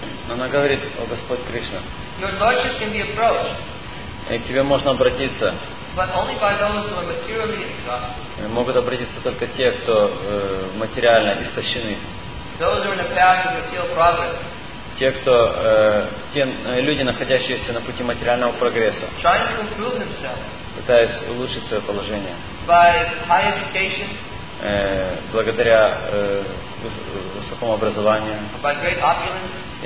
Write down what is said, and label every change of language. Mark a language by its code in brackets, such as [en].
[ru] Она говорит: «О Господь Кришна, к Тебе можно обратиться». [en] But only by those who are materially exhausted. [ru] Могут обратиться только те, кто материально истощены. [en] Those are in a path of material progress. [ru] Те, кто, те люди, находящиеся на пути материального прогресса. [en] Trying to improve themselves. [ru] Пытаясь улучшить свое положение. [en] By high education. [ru] Благодаря высокому образованию. [en] By great opulence.